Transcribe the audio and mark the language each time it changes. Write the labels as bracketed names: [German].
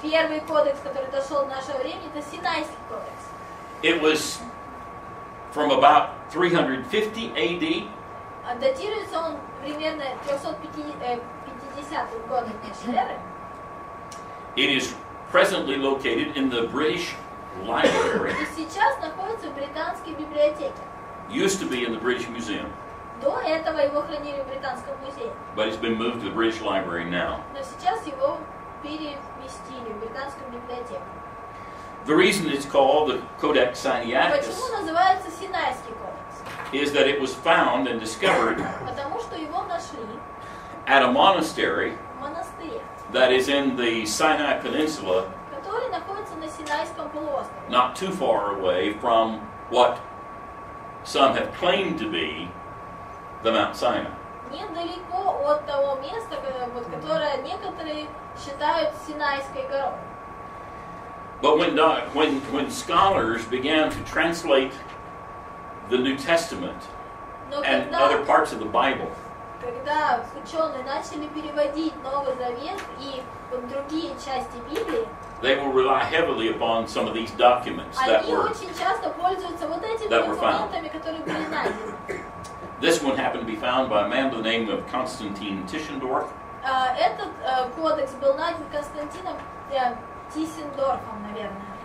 [Russian] Первый кодекс, который дошел в наше время, это Синайский кодекс. [English] It was from about 350 AD. [Russian] Датируется он примерно 350 годом нашей эры. [English] It is presently located in the British Library. [Russian] И сейчас находится в британской библиотеке. [English] Used to be in the British Museum. [Russian] До этого его хранили в Британском музее. [English] But it's been moved to the British Library now. [Russian] Но сейчас его переместили в Британскую библиотеку. [English] The reason it's called the Codex Sinaiticus. [Russian] Почему называется Синайский кодекс? [English] Is that it was found and discovered. [Russian] Потому что его нашли. [English] At a monastery. [Russian] В монастыре. [English] That is in the Sinai Peninsula. [Russian] Который находится на Синайском полуострове. [English] Not too far away from what some have claimed to be. The Mount Sinai. [Russian] Недалеко от того места, которое некоторые считают Синайской горой. [English] But when scholars began to translate the New Testament and other parts of the Bible, [Russian] когда ученые начали переводить Новый Завет и другие части Библии, [English] they will rely heavily upon some of these documents that were. [Russian] Они очень часто пользуются вот этими документами, которые были найдены. [English] This one happened to be found by a man by the name of Constantine Tischendorf. [Russian] Codex был найден Константином Тиссендорфом, наверное.